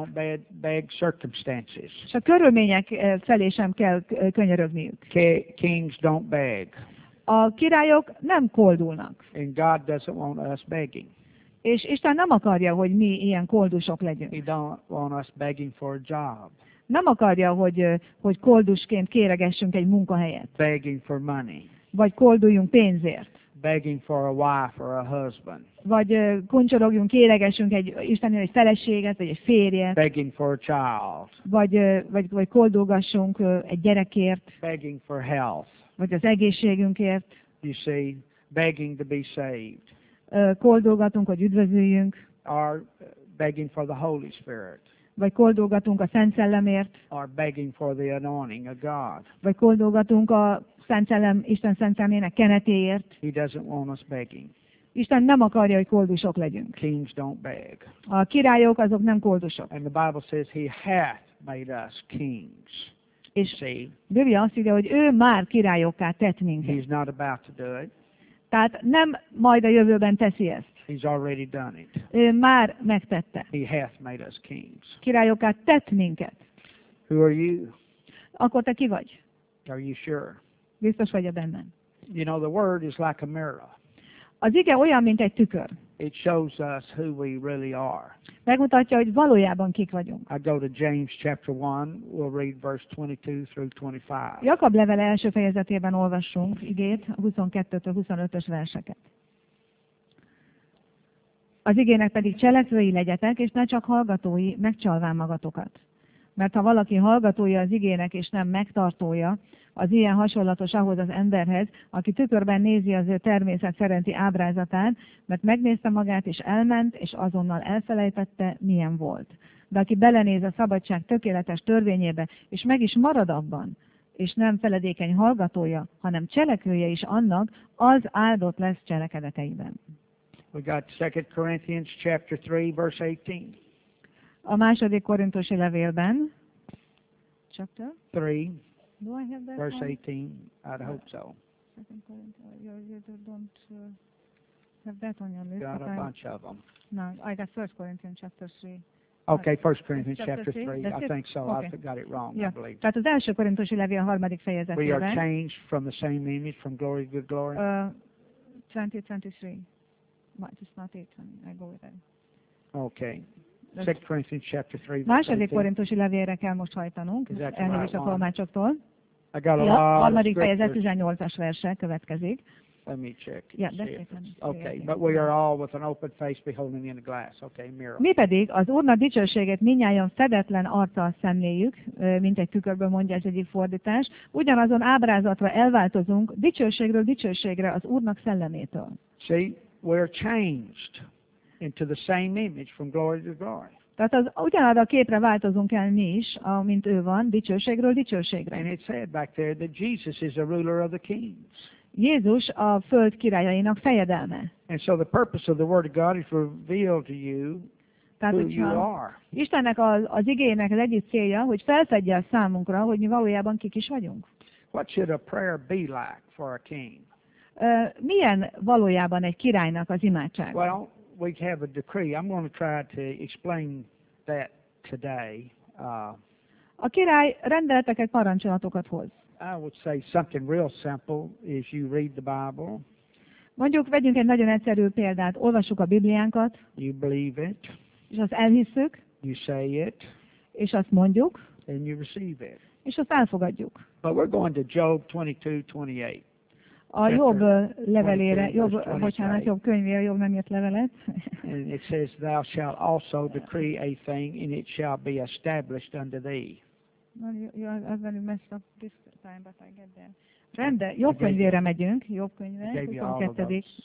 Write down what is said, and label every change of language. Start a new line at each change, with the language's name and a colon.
English: They don't beg circumstances.
Hungarian: És a körülmények felé sem kell könyörögniük.
English: Kings don't beg.
Hungarian: A királyok nem koldulnak.
English: And God doesn't want us begging.
Hungarian: És Isten nem akarja, hogy mi ilyen koldusok legyünk.
English: He don't want us begging for a job.
Hungarian: Nem akarja, hogy koldusként kéregessünk egy munkahelyet.
English: Begging for money.
Hungarian: Vagy kolduljunk pénzért.
English: Begging for a wife or a husband.
Hungarian: Vagy kuncsorogjunk, kéregessünk egy Istennél egy feleséget, vagy egy férjet.
English: Begging for a child.
Hungarian: Vagy koldulgassunk egy gyerekért.
English: Begging for health.
Hungarian: Vagy az egészségünkért.
English: You see, begging to be saved.
Hungarian: Koldulgatunk, hogy üdvözüljünk.
English: Or begging for the Holy Spirit.
Hungarian: Vagy koldulgatunk a Szent Szellemért.
English: Or begging for the anointing of God.
Hungarian: Vagy koldulgatunk a Szent Szellem, Isten Szent Szellemének kenetéért.
English: He doesn't want us begging.
Hungarian: Isten nem akarja, hogy koldusok legyünk.
English: Kings don't beg.
Hungarian: A királyok azok nem koldusok.
English: And the Bible says he hath made us kings.
Hungarian: és Biblia azt írja, hogy ő már királyokká tett minket.
English: He's not about to do it.
Hungarian: Tehát nem majd a jövőben teszi ezt.
English: He's already done it.
Hungarian: Ő már megtette.
English: He hath made us kings.
Hungarian: Királyokká tett minket.
English: Who are you?
Hungarian: Akkor te ki vagy?
English: Are you sure?
Hungarian: Biztos vagy-e bennem?
English: You know, the word is like a mirror.
Hungarian: Az ige olyan, mint egy tükör.
English: It shows us who we really are.
Hungarian: Megmutatja, hogy valójában kik vagyunk.
English: I go to James chapter 1, we'll read verse 22 through 25.
Hungarian: Jakab levele első fejezetében olvassunk igét, 22-től 25-ös verseket. Az igének pedig cselekvői legyetek, és ne csak hallgatói, megcsalván magatokat. Mert ha valaki hallgatója az igének, és nem megtartója, az ilyen hasonlatos ahhoz az emberhez, aki tükörben nézi az ő természet szerinti ábrázatát, mert megnézte magát, és elment, és azonnal elfelejtette, milyen volt. De aki belenéz a szabadság tökéletes törvényébe, és meg is marad abban, és nem feledékeny hallgatója, hanem cselekvője is annak, az áldott lesz cselekedeteiben.
English: We got 2 Corinthians chapter 3, verse 18.
Hungarian: A második korintusi levélben, chapter
English: 3, do I have that verse one? 18, I'd hope so. Second Corinthians, you don't have that on your list. Got a bunch of them. No, I got 1 Corinthians chapter 3. Okay, 1 Corinthians chapter 3, I think so, okay. I got it wrong, yeah. I believe.
Hungarian: Tehát az első korintusi levél a harmadik fejezetében.
English: We are changed from the same image, from glory to glory. 2023, it's not it, I go with it. Okay. 2 Corinthians chapter 3.
Hungarian: Második korintusi levélre kell most hajtanunk, elnézést a tolmácsoktól.
English: I got a lot of
Hungarian: harmadik fejezet 18-as verse következik.
English: Let me check. Yeah, okay, but we are all with an open face beholding in a glass. Okay, mirror.
Hungarian: Mi pedig az Úrna dicsőséget minnyáján fedetlen arccal szemléljük, mint egy tükörből, mondja ez egyik fordítás. Ugyanazon ábrázatra elváltozunk dicsőségről dicsőségre az Úrnak szellemétől.
English: See, we're changed into the same image from glory to glory.
Hungarian: Tehát az ugyanaz a képre változunk el mi is, amint ő van, dicsőségről dicsőségre.
English: And it said back there that Jesus is a ruler of the kings.
Hungarian: Jézus a föld királyainak fejedelme.
English: And so the purpose of the word of God is revealed to you who you are.
Hungarian: Istennek az igének az egyik célja, hogy felfedje a számunkra, hogy mi valójában kik is vagyunk.
English: What should a prayer be like for a king?
Hungarian: Milyen valójában egy királynak az imádsága?
English: Well, we have a decree. I'm going to try to explain that today.
Hungarian: A király rendeleteket, parancsolatokat hoz.
English: I would say something real simple is you read the Bible.
Hungarian: Mondjuk, vegyünk egy nagyon egyszerű példát. Olvassuk a Bibliánkat.
English: You believe it.
Hungarian: És azt elhisszük.
English: You say it.
Hungarian: És azt mondjuk.
English: And you receive it.
Hungarian: És azt elfogadjuk.
English: But we're going to Job 22:28.
Hungarian: A Jobb levelére, Jobb könyvére, Jobb nem írt levelet.
English: And it says, thou shalt also decree a thing, and it shall be established unto thee. Well, you're very messed up this time, but I get there.
Hungarian: Rende, Jobb könyvére megyünk, Jobb könyve, 22.